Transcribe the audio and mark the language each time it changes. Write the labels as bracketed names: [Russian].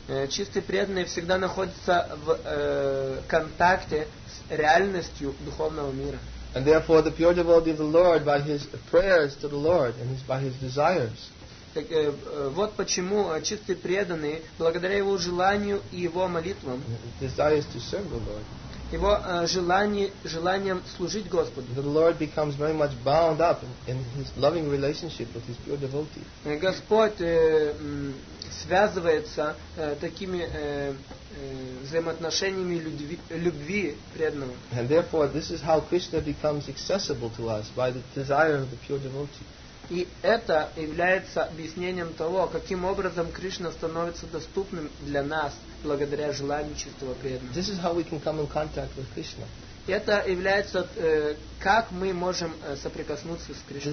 [Russian] Чистый преданный всегда находится в контакте с реальностью духовного мира. [English] And therefore the pure devotee of the Lord, by his prayers to the Lord and by his desires. [Russian] Так, вот почему чистый преданный, благодаря его желанию и его молитвам, [English] desires to serve the Lord. [Russian] Его желанием служить Господу. [English] The Lord becomes very much bound up in his loving relationship with his pure devotee. [Russian] Господь связывается такими взаимоотношениями любви преданного. [English] And therefore, this is how Krishna becomes accessible to us by the desire of the pure devotee. [Russian] И это является объяснением того, каким образом Кришна становится доступным для нас благодаря желанию чистого преданного. [English] This is how we can come in contact with Krishna. [Russian] Это является как мы можем соприкоснуться с Кришной.